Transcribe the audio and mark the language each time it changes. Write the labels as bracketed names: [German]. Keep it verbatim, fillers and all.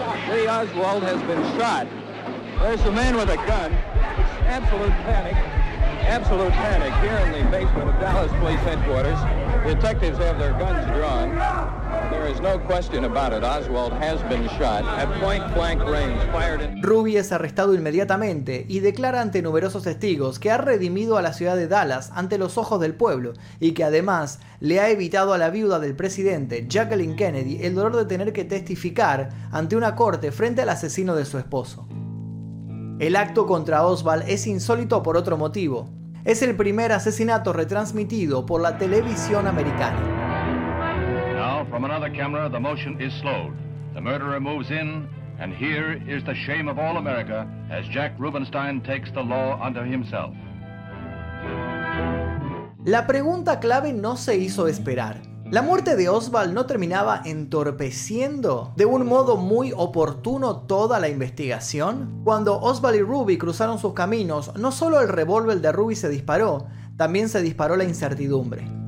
[English] Lee Oswald has been shot. There's the man with a gun. Absolute panic. Absolute panic here in the basement of Dallas Police Headquarters. Detectives have their guns drawn. There is no question about it. Oswald has been shot at point-blank range, fired in... [Spanish] Ruby es arrestado inmediatamente y declara ante numerosos testigos que ha redimido a la ciudad de Dallas ante los ojos del pueblo y que además le ha evitado a la viuda del presidente, Jacqueline Kennedy, el dolor de tener que testificar ante una corte frente al asesino de su esposo. El acto contra Oswald es insólito por otro motivo. Es el primer asesinato retransmitido por la televisión americana. [English] From another camera, the motion is slowed. The murderer moves in, And here is the shame of all America as Jack Rubenstein takes the law under himself. [Spanish] La pregunta clave no se hizo esperar. ¿La muerte de Oswald no terminaba entorpeciendo de un modo muy oportuno toda la investigación? Cuando Oswald y Ruby cruzaron sus caminos, no solo el revólver de Ruby se disparó, también se disparó la incertidumbre.